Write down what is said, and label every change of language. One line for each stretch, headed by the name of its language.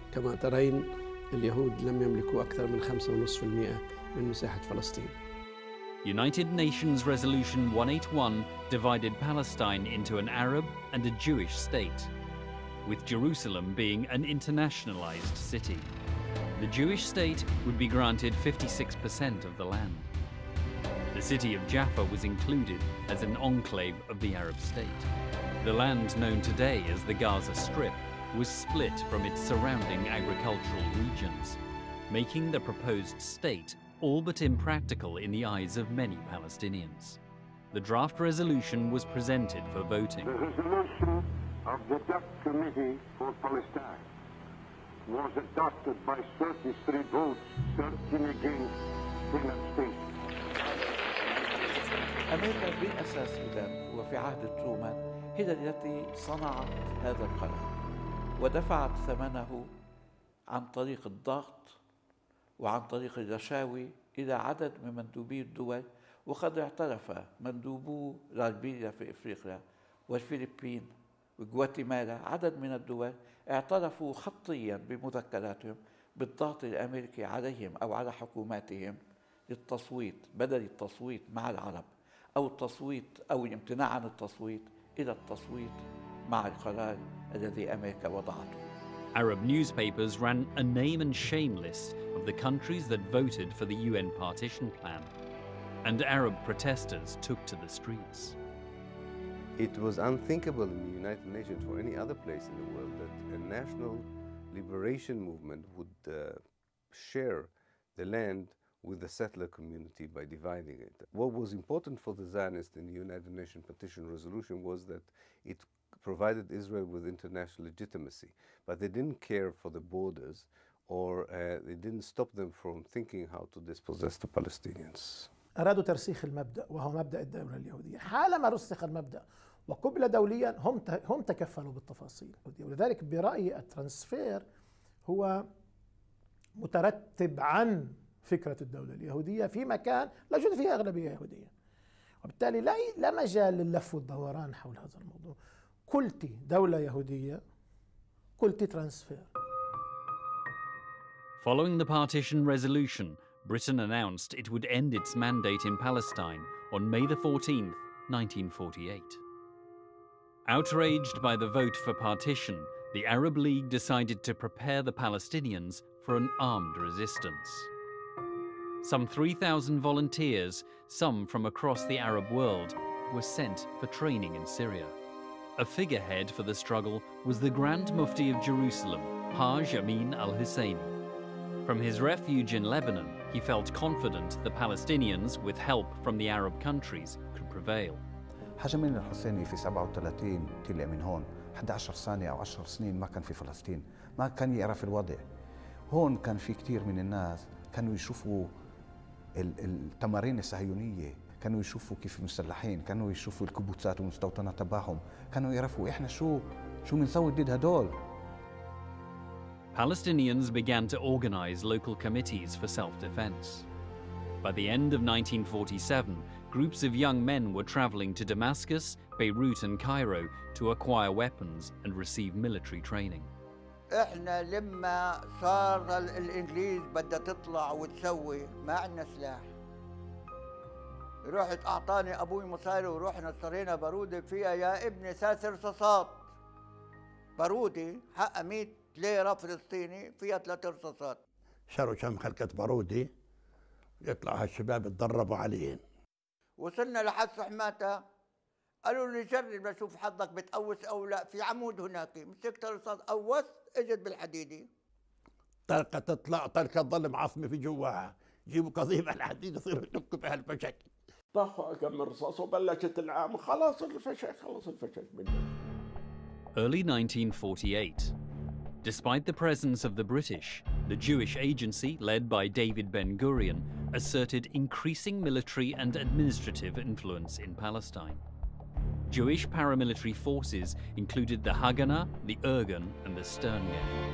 Arabic: كما ترين اليهود لم يملكوا أكثر من 5.5% من مساحة فلسطين.
English: United Nations Resolution 181 divided Palestine into an Arab and a Jewish state, with Jerusalem being an internationalized city. The Jewish state would be granted 56% of the land. The city of Jaffa was included as an enclave of the Arab state. The land known today as the Gaza Strip was split from its surrounding agricultural regions, making the proposed state all but impractical in the eyes of many Palestinians. The draft resolution was presented for voting. The resolution of the Duck Committee for Palestine was adopted by 33 votes, 13 against, 10 abstentions.
Arabic: أمريكا بأساس إذن وفي عهد ترومان هي التي صنعت هذا القرار ودفعت ثمنه عن طريق الضغط وعن طريق الرشاوي إلى عدد من مندوبي الدول، وقد اعترف مندوبو لالبيريا في إفريقيا والفلبين وغواتيمالا، عدد من الدول اعترفوا خطيا بمذكراتهم بالضغط الأمريكي عليهم أو على حكوماتهم للتصويت بدل التصويت مع العرب أو التصويت أو الامتناع عن التصويت إلى التصويت مع القرار الذي أمريكا وضعته.
English: Arab newspapers ran a name and shame list of the countries that voted for the UN partition plan, and Arab protesters took to the streets. It was unthinkable in the United Nations for any other place in the world that a national liberation movement would share the land with the settler community by dividing it. What was important for the Zionists in the United Nations petition resolution was that it provided Israel with international legitimacy, but they didn't care for the borders, or they didn't stop them from thinking how to dispossess the Palestinians.
Arabic: أرادوا ترسيخ المبدأ وهو مبدأ الدولة اليهودية. حالما رسخ المبدأ وقبل دوليا هم تكفلوا بالتفاصيل. ولذلك برأيي الترانسفير هو مترتب عن فكرة الدولة اليهودية في مكان لا يوجد فيها أغلبية يهودية. وبالتالي لا مجال للف والدوران حول هذا الموضوع. قلتي دولة يهودية، قلتي ترانسفير.
English: Following the partition resolution, Britain announced it would end its mandate in Palestine on May the 14th, 1948. Outraged by the vote for partition, the Arab League decided to prepare the Palestinians for an armed resistance. Some 3,000 volunteers, some from across the Arab world, were sent for training in Syria. A figurehead for the struggle was the Grand Mufti of Jerusalem, Haj Amin al-Husseini. From his refuge in Lebanon, he felt confident the Palestinians, with help from the Arab countries, could prevail.
Arabic: حاج أمين الحسيني في 37 تلقى من هون 11 سنة أو 10 سنين ما كان في فلسطين، ما كان يعرف الوضع. هون كان في كتير من الناس كانوا يشوفوا التمارين الصهيونية، كانوا يشوفوا كيف مسلحين، كانوا يشوفوا الكبوتات والمستوطنات تبعهم، كانوا يعرفوا إحنا شو منسوي ضد هدول.
English: Palestinians began to organize local committees for self-defense. By the end of 1947, groups of young men were traveling to Damascus, Beirut, and Cairo to acquire weapons and receive military training.
Arabic: احنا لما صار الانجليز بدها تطلع وتسوي ما عندنا سلاح. رحت اعطاني ابوي مصاري ورحنا صرينا بارودة فيها يا ابني ثلاث رصاصات. بارودة حق 100 ليرة فلسطيني فيها ثلاث رصاصات. شروا كم خلقة بارودة يطلع هالشباب يتدربوا عليهم. وصلنا لحد سحماتة قالوا لي جرب لشوف حظك بتقوس او لا، في عمود هناك مسكت رصاص قوس اجت بالحديدة. طلقة تطلع طلقة تظل معصمة في جواها، جيبوا قضيب الحديد يصيروا يدقوا بها الفشك. طفوا كم رصاص وبلشت العام خلاص الفشك خلص الفشك منه.
English: Early 1948. Despite the presence of the British, the Jewish agency, led by David Ben-Gurion, asserted increasing military and administrative influence in Palestine. Jewish paramilitary forces included the Haganah, the Irgun, and the Stern Gang.